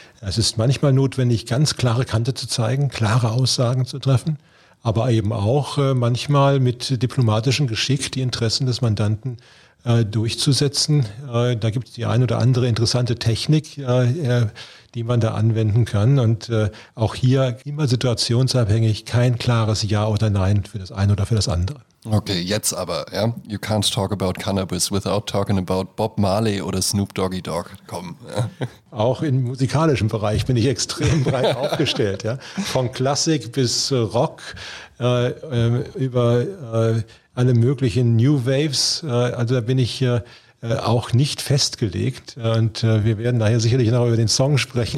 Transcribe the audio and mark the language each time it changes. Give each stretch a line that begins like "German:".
German: Es ist manchmal notwendig, ganz klare Kante zu zeigen, klare Aussagen zu treffen, aber eben auch manchmal mit diplomatischem Geschick die Interessen des Mandanten durchzusetzen. Da gibt es die ein oder andere interessante Technik, die man da anwenden kann. Und auch hier immer situationsabhängig, kein klares Ja oder Nein für das eine oder für das andere. Okay, jetzt aber. Ja?
English: You can't talk about cannabis without talking about Bob Marley
German: oder
English: Snoop Doggy Dogg.
German: Komm. Auch im musikalischen Bereich bin ich extrem breit aufgestellt. Ja? Von Klassik bis Rock, über alle möglichen New Waves. Also da bin ich auch nicht festgelegt. Und wir werden nachher sicherlich noch über den Song sprechen.